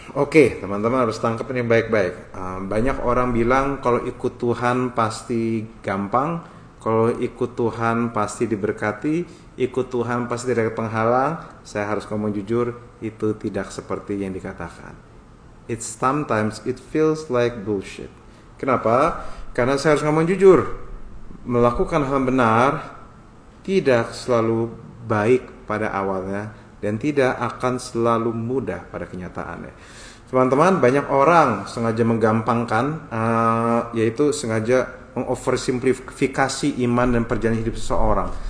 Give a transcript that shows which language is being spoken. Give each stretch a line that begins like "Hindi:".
Indonesian: Oke, teman-teman harus tangkap ini baik-baik. Banyak orang bilang kalau ikut Tuhan pasti gampang, kalau ikut Tuhan pasti diberkati, ikut Tuhan pasti tidak ada penghalang. Saya harus ngomong jujur, itu tidak seperti yang dikatakan.
English: It's sometimes it feels like bullshit.
Indonesian: Kenapa? Karena saya harus ngomong jujur, melakukan hal benar tidak selalu baik pada awalnya. Dan tidak akan selalu mudah pada kenyataannya. Teman-teman, banyak orang sengaja menggampangkan, yaitu sengaja mengoversimplifikasi iman dan perjalanan hidup seseorang.